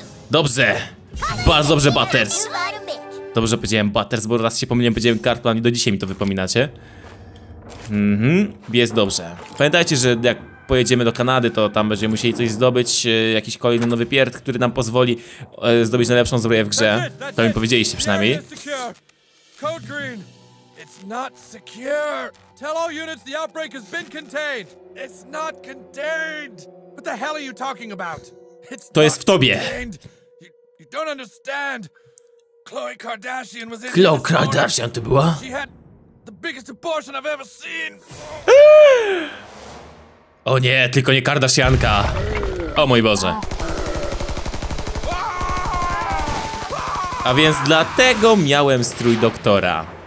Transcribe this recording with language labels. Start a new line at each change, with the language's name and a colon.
Polish: Dobrze! Bardzo dobrze, Butters! Dobrze powiedziałem Butters, bo raz się pomyliłem, powiedziałem Cartman i do dzisiaj mi to wypominacie. Jest dobrze. Pamiętajcie, że jak pojedziemy do Kanady, to tam będziemy musieli coś zdobyć, jakiś kolejny nowy pierd, który nam pozwoli zdobyć najlepszą zbroję w grze. To mi powiedzieliście przynajmniej.
English: Code Green, it's not secure. Tell all units the outbreak has been contained. It's not contained. What the hell are you talking about?
Polish: To jest w tobie.
English: You don't understand. Khloe Kardashian was in.
Polish: Khloe Kardashian to była?
English: She had the biggest abortion I've ever seen.
Polish: O nie, tylko nie Kardashianka. O mój Boże. A więc dlatego miałem strój doktora.